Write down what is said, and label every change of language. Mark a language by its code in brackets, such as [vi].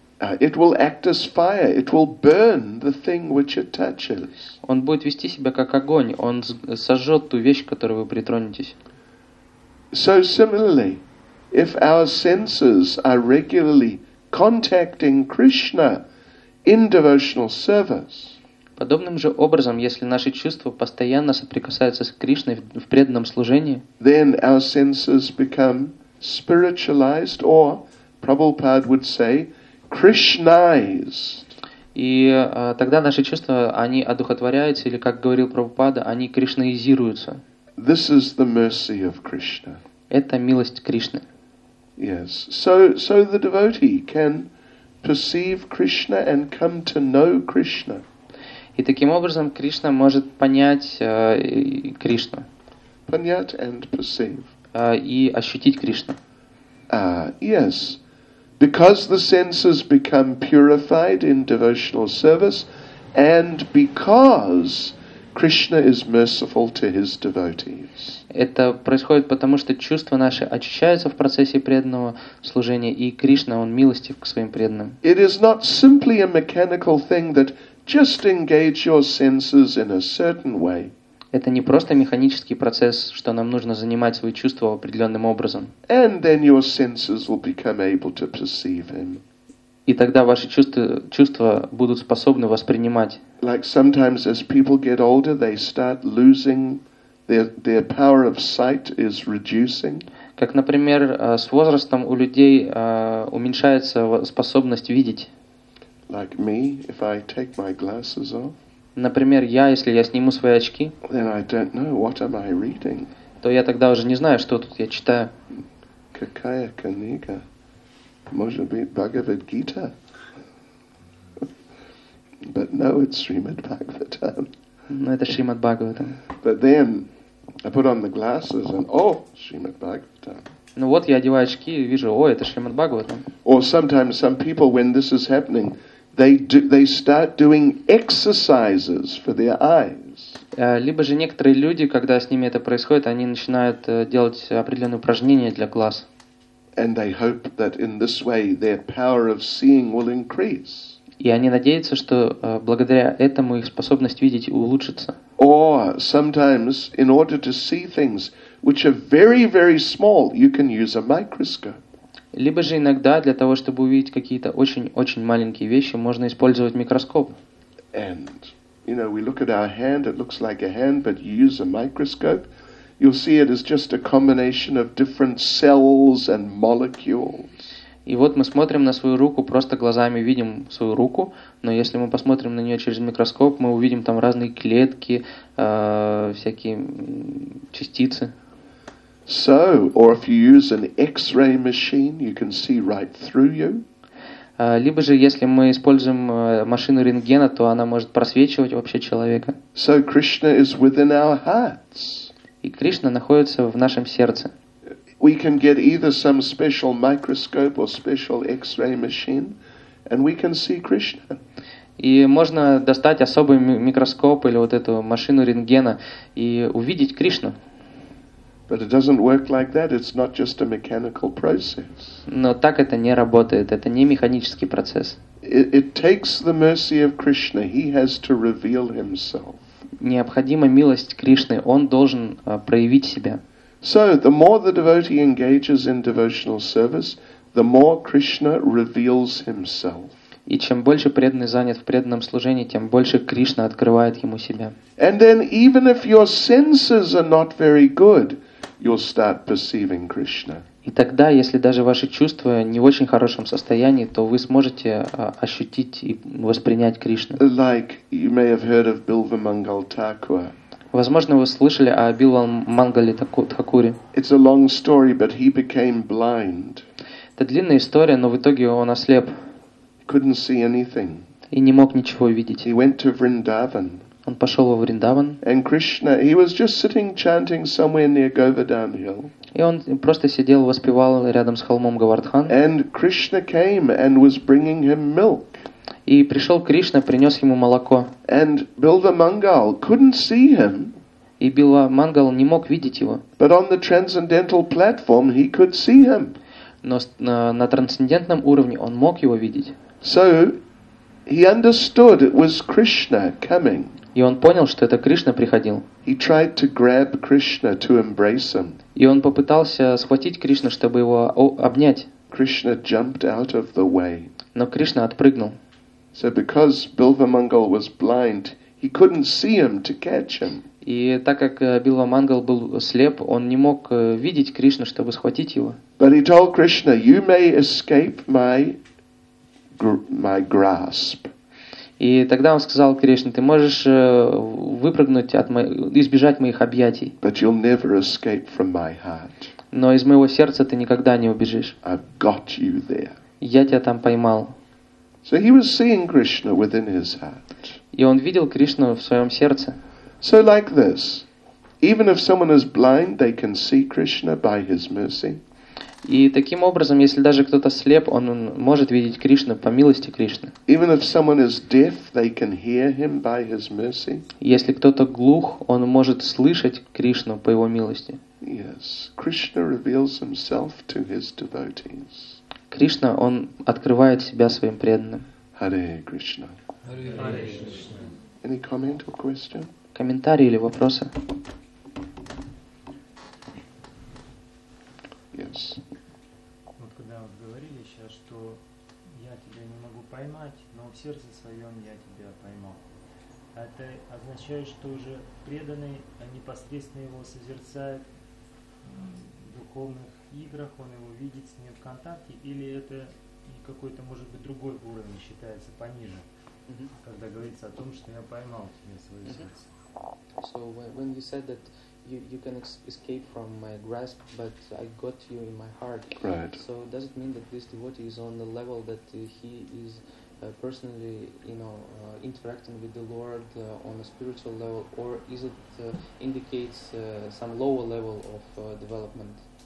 [en] it will act as fire. It will burn the thing which it touches. [ru] Он будет вести себя как огонь. Он сожжет ту вещь, к которой вы притронетесь. [en] So similarly, if our senses are regularly contacting Krishna in devotional service. [ru] Подобным же образом, если наши чувства постоянно соприкасаются с Кришной в преданном служении, [en] then our senses become spiritualized, or Prabhupada would say, Krishnized. [ru] И тогда наши чувства, они одухотворяются, или, как говорил Прабхупада, они кришнаизируются. [en] This is the mercy of Krishna. [ru] Это милость Кришны. [en] Yes. So the devotee can perceive Krishna and come to know Krishna. [ru] И таким образом Кришна может понять Кришну. Понять [en] and perceive. [ru] И ощутить Кришну. [en] Yes. Because the senses become purified in devotional service, and because Krishna is merciful to his devotees. [ru] Это происходит потому, что чувства наши очищаются в процессе преданного служения, и Кришна, он милостив к своим преданным. [en] It is not simply a mechanical thing that just engage your senses in a certain way. [ru] Это не просто механический процесс, что нам нужно занимать свои чувства определенным образом. [en] And then your senses will become able to perceive him. [ru] И тогда ваши чувства будут способны воспринимать. [en] Like sometimes as people get older, they start losing their power of sight is reducing. [ru] Как, например, с возрастом у людей уменьшается способность видеть. [en] Like me, if I take my glasses off. [ru] Например, я, если я сниму свои очки, [en] then I don't know what am I reading. [ru] То я тогда уже не знаю, что тут я читаю. Какая книга? Может быть, Бхагавад-гита? [en] But no, it's Śrīmad-Bhāgavatam. [ru] Но это Śrīmad-Bhāgavatam. [en] But then I put on the glasses and oh, Śrīmad-Bhāgavatam. [ru] Ну вот я одеваю очки и вижу, о, это Śrīmad-Bhāgavatam. [en] Or sometimes some people, when this is happening, they start doing exercises for their eyes. [ru] Либо же некоторые люди, когда с ними это происходит, они начинают делать определенные упражнения для глаз. [en] And they hope that in this way their power of seeing will increase. [ru] И они надеются, что благодаря этому их способность видеть улучшится. [en] Or sometimes in order to see things which are very very small, you can use a microscope. [ru] Либо же иногда для того, чтобы увидеть какие-то очень-очень маленькие вещи, можно использовать микроскоп. [en] And, you know, we look at our hand, it looks like a hand, but you use a microscope, you'll see it is just a combination of different cells and molecules. [ru] И вот мы смотрим на свою руку, просто глазами видим свою руку, но если мы посмотрим на нее через микроскоп, мы увидим там разные клетки, всякие частицы. [en] So, or if you use an X-ray machine, you can see right through you. [ru] Либо же, если мы используем машину рентгена, то она может просвечивать вообще человека. [en] So Krishna is within our hearts. [ru] И Кришна находится в нашем сердце. [en] We can get either some special microscope or special X-ray machine, and we can see Krishna. [ru] И можно достать особый микроскоп или вот эту машину рентгена и увидеть Кришну. [en] But it doesn't work like that. It's not just a mechanical process. [ru] Но так это не работает. Это не механический процесс. [en] It takes the mercy of Krishna. He has to reveal himself. [ru] Необходима милость Кришны. Он должен проявить себя. [en] So the more the devotee engages in devotional service, the more Krishna reveals himself. [ru] И чем больше преданный занят в преданном служении, тем больше Кришна открывает ему себя. [en] And then even if your senses are not very good, you'll start perceiving Krishna. [ru] И тогда, если даже ваши чувства не в очень хорошем состоянии, то вы сможете ощутить и воспринять Кришну. [en] Like you may have heard of Bilva Mangal Thakur. [ru] Возможно, вы слышали о Билва Мангале Такуре. [en] It's a long story, but he became blind. [ru] Это длинная история, но в итоге он ослеп. [en] Couldn't see anything. [ru] И не мог ничего видеть. [en] He went to Vrindavan. [ru] Он пошел во Вриндаван. [en] And Krishna, he was just sitting chanting somewhere near Govardhan Hill. [ru] И он просто сидел, воспевал рядом с холмом Говардхан. [en] And Krishna came and was bringing him milk. [ru] И пришел Кришна, принес ему молоко. [en] And Bilva Mangal couldn't see him. [ru] И Билва Мангал не мог видеть его. [en] But on the transcendental platform he could see him. [ru] Но на трансцендентном уровне он мог его видеть. [en] So he understood it was Krishna coming. [ru] И он понял, что это Кришна приходил. [en] He tried to grab Krishna to embrace him. [ru] И он попытался схватить Кришну, чтобы его обнять. [en] Krishna jumped out of the way. [ru] Но Кришна отпрыгнул. [en] So because Bilva Mangal was blind, he couldn't see him to catch him. [ru] И так как Билва Мангал был слеп, он не мог видеть Кришну, чтобы схватить его. [en] But he told Krishna, "You may escape my grasp." [ru] И тогда он сказал Кришне, ты можешь выпрыгнуть избежать моих объятий. [en] But you'll never escape from my heart. [ru] Но из моего сердца ты никогда не убежишь. [en] I've got you there. [ru] Я тебя там поймал. [en] So he was seeing Krishna within his heart. [ru] И он видел Кришну в своем сердце. [en] So like this, even if someone is blind, they can see Krishna by his mercy. [ru] И таким образом, если даже кто-то слеп, он может видеть Кришну по милости Кришны. [en] Even if someone is deaf, they can hear him by his mercy. [ru] Если кто-то глух, он может слышать Кришну по его милости. [en] Yes, Krishna reveals himself to his devotees. [ru] Кришна, он открывает себя своим преданным. [en] Hare Krishna. Hare Krishna. Any comment or question? [ru] Комментарии или вопросы? [en] Yes. [ru] Вот когда вы говорили сейчас, что я тебя не могу поймать, но в сердце своем я тебя поймал. Это означает, что уже преданный непосредственно его созерцает в духовных играх, он его видит с ним в контакте, или это какой-то, может быть, другой уровень считается пониже, когда говорится о том, что я поймал тебя в свое сердце. [en] So when you said that you can escape from my grasp, but I got you in my heart. Right. So does it mean that this devotee is on the level that he is personally, you know, interacting with the Lord on a spiritual level, or is it indicates some lower level of development?